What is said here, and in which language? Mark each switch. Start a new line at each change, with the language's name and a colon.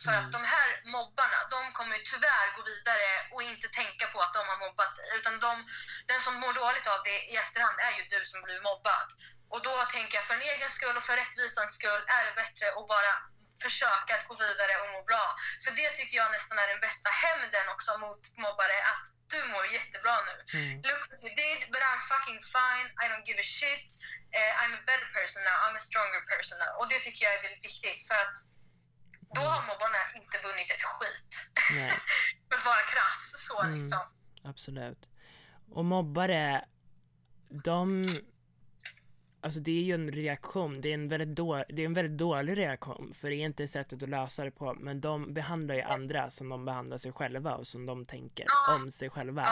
Swedish: För att de här mobbarna, de kommer ju tyvärr gå vidare och inte tänka på att de har mobbat dig. Utan den som mår dåligt av det i efterhand är ju du som blir mobbad. Och då tänker jag, för en egen skull och för rättvisans skull, är det bättre att bara försöka att gå vidare och må bra. För det tycker jag nästan är den bästa hämnden också mot mobbare, att du mår jättebra nu. Mm.
English: Look what you did, but I'm fucking fine. I don't give a shit. I'm a better person now. I'm a stronger person now.
Swedish: Och det tycker jag är väldigt viktigt, för att då har mobbarna inte vunnit ett skit. Nej. Men bara krass, så liksom. Absolut. Och mobbare, de... Alltså det är ju en reaktion, det är en väldigt dålig reaktion, för det är inte sättet att lösa det på, men de behandlar ju andra som de behandlar sig själva och som de tänker om sig själva.